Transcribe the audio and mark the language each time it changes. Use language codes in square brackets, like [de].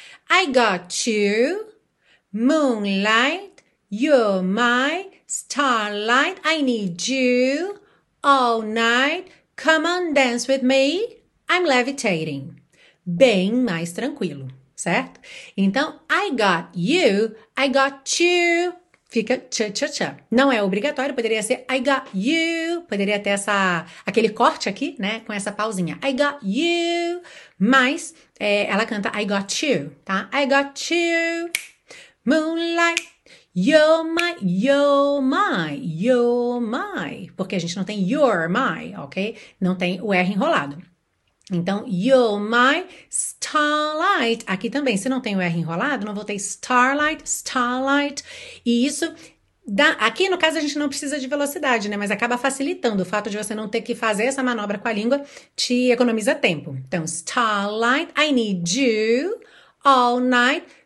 [en] I got you, moonlight, you're my starlight, I need you all night, come on dance with me, I'm levitating. [pt] Bem mais tranquilo, certo? [en] Então, I got you, I got you, [pt] fica tcha-tcha-tcha. Não é obrigatório, poderia ser [en] I got you, [pt] poderia ter aquele corte aqui, né, com essa pausinha. [en] I got you, [pt] mas ela canta [en] I got you, tá? I got you, moonlight, you're my, [pt] porque a gente não tem [en] you're my, ok? [pt] Não tem o R enrolado. [en] Então, you're my starlight. [pt] Aqui também, se não tem o R enrolado, não vou ter starlight. E isso, aqui no caso a gente não precisa de velocidade, né? Mas acaba facilitando o fato de você não ter que fazer essa manobra com a língua, te economiza tempo. [en] Então, starlight, I need you all night.